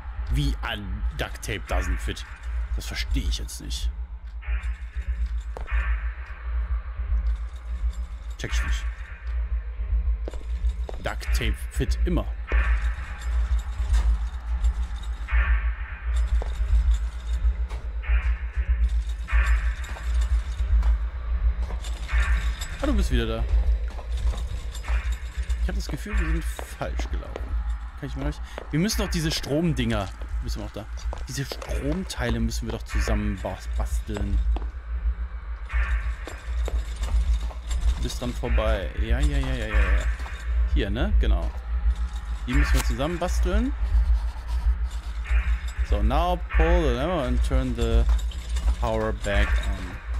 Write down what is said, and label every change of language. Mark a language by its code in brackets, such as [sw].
[en] Wie an Duct Tape doesn't fit. [de] Das verstehe ich jetzt nicht. Check ich nicht. Duct Tape fit immer. Ah, du bist wieder da. Ich habe das Gefühl, wir sind falsch gelaufen. Kann ich mal euch? Wir müssen doch diese Stromdinger. Müssen wir auch da. Diese Stromteile müssen wir doch zusammen basteln. Du bist dran vorbei. Ja. Hier, ne? Genau. Die müssen wir zusammen basteln. [en] So, now pull the lever and turn the power back on.